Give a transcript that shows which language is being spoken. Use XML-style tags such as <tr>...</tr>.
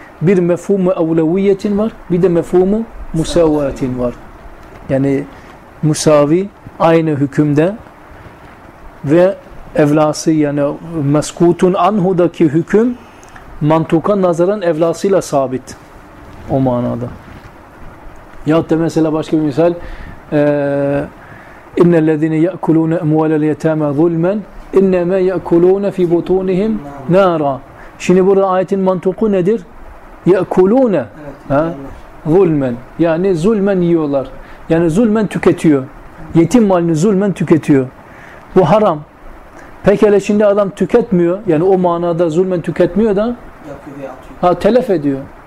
<tr>Bir mefhumu evleviyetin var, bir de mefhumu musavvetin var. Yani musavi aynı hükümde ve evlası yani meskutun anhudaki hüküm mantuka nazaran evlasıyla sabit o manada.</tr> <ar>Yahut da mesela başka bir misal اِنَّ الَّذِينَ يَأْكُلُونَ اَمْوَالَ الْيَتَامَ ظُلْمًا اِنَّمَا يَأْكُلُونَ فِي بُطُونِهِمْ نَارًا.</ar> <tr>Şimdi burada ayetin mantuku nedir? يَأْكُلُونَ ظُلْمًا, yani zulmen yiyorlar. Yani zulmen tüketiyor. Yetim malini zulmen tüketiyor. Bu haram. Peki hele şimdi adam tüketmiyor. Yani o manada zulmen tüketmiyor da telef ediyor.</tr>